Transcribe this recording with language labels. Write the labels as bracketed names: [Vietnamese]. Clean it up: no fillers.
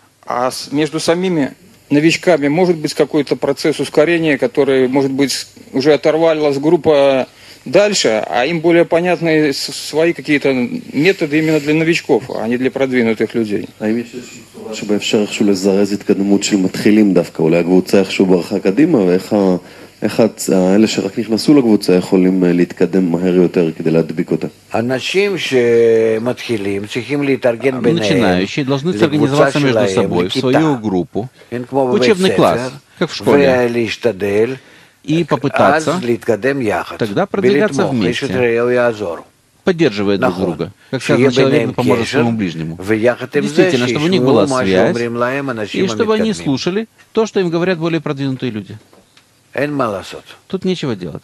[Russian] А между самими... новичками может быть какой-то процесс ускорения, который, может быть, уже оторвалась группа дальше, а им более понятны свои какие-то методы именно для новичков, а не для продвинутых людей. А им есть что-то, чтобы [Hebrew] אפשר איכשהו לזרז התקדמות של מתחילים דווקא, אולי הקבוצה איכשהו ברחה קדימה, ואיך האלה שרק נכנסו לקבוצה יכולים להתקדם מהר יותר כדי להדביק אותה? אנשים שמתחילים צריכים להתארגן ביניהם. [Russian] Начинающие должны организоваться между собой в свою группу, в учебный класс, как в школе, и попытаться тогда продвигаться вместе, поддерживая друг друга, как сказано, человек поможет своему ближнему. Действительно, чтобы у них была связь, и чтобы они слушали то, что им говорят более продвинутые люди. Тут нечего делать.